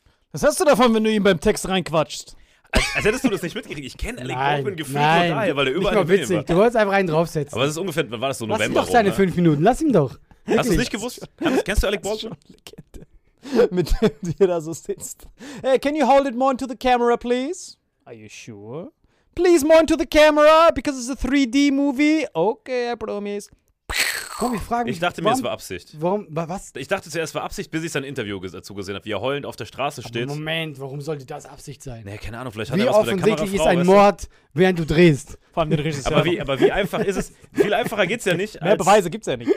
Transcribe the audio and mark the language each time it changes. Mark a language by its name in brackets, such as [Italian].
[German] Was hast du davon, wenn du ihm beim Text reinquatschst? Als hättest du das nicht mitgekriegt. Ich kenne Alec Baldwin gefühlt nur daher, weil er überall im Film war. Du wolltest einfach einen draufsetzen. Aber es ist ungefähr, wann war das, so November? Lass ihm doch seine 5 Minuten, lass ihn doch. Wirklich. Hast du es nicht gewusst? Kennst du Alec Baldwin? Schon Legende. Mit dem du hier da so sitzt. [English] Hey, can you hold it more into the camera, please? Are you sure? Please more into the camera, because it's a 3D-Movie. Okay, I promise. [German] Komm, ich frage mich, Ich dachte, es war Absicht. Warum? Was? Ich dachte zuerst, es war Absicht, bis ich sein Interview dazu gesehen habe, wie er heulend auf der Straße steht. Aber Moment, warum sollte das Absicht sein? Naja, keine Ahnung, vielleicht wie hat er was mit der Kamerafrau. Wie offensichtlich ist ein Mord, während du drehst? Vor allem den Regisseur. Aber wie einfach ist es? Viel einfacher geht's ja nicht. Mehr Beweise gibt's ja nicht.